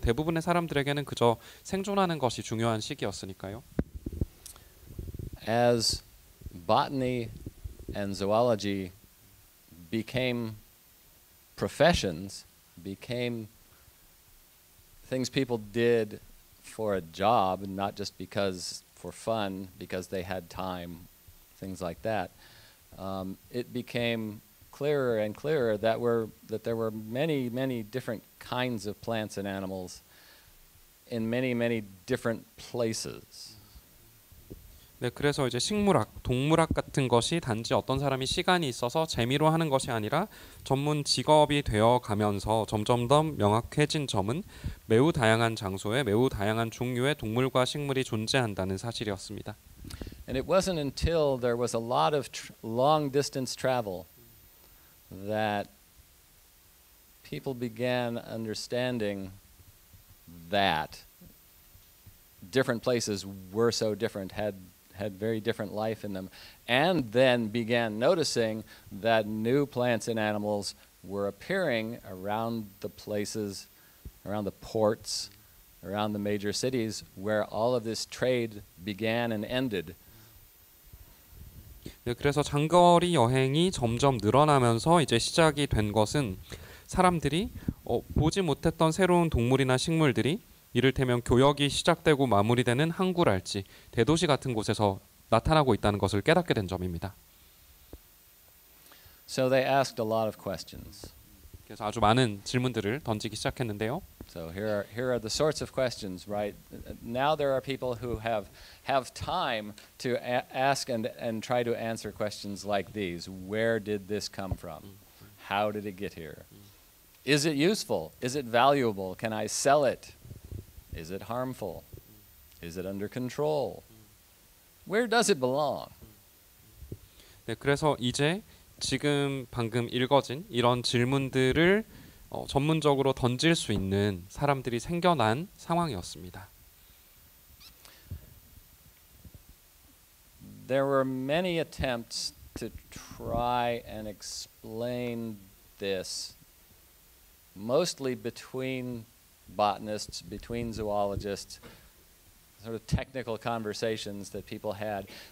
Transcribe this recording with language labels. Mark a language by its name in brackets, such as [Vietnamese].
[Korean] 대부분의 사람들에게는 그저 생존하는 것이 중요한 시기였으니까요. [English] As botany and zoology became professions, became things people did for a job, not just because for fun, because they had time, things like that, it became clearer and clearer that there were many, many different kinds of plants and animals in many, many different places. [Korean] 네, 그래서 이제 식물학, 동물학 같은 것이 단지 어떤 사람이 시간이 있어서 재미로 하는 것이 아니라 전문 직업이 되어 가면서 점점 더 명확해진 점은 매우 다양한 장소에 매우 다양한 종류의 동물과 식물이 존재한다는 사실이었습니다. [English] And it wasn't until there was a lot of long distance travel that people began understanding that different places were so different, had very different life in them, and then began noticing that new plants and animals were appearing around the places, around the ports, around the major cities where all of this trade began and ended. [Korean] 네, 그래서 장거리 여행이 점점 늘어나면서 이제 시작이 된 것은 사람들이 보지 못했던 새로운 동물이나 식물들이 이를테면 교역이 시작되고 마무리되는 항구랄지 대도시 같은 곳에서 나타나고 있다는 것을 깨닫게 된 점입니다. [English] So they asked a lot of questions. [Korean] 그래서 아주 많은 질문들을 던지기 시작했는데요. [English] So here are the sorts of questions, right? Now there are people who have time to ask and try to answer questions like these. Where did this come from? How did it get here? Is it useful? Is it valuable? Can I sell it? Is it harmful? Is it under control? Where does it belong? [Korean] 네, 그래서 이제 지금 방금 읽어진 이런 질문들을 전문적으로 던질 수 있는 사람들이 생겨난 상황이었습니다. [English] There were many attempts to try and explain this, mostly between botanists, between zoologists, sort of technical conversations that people had.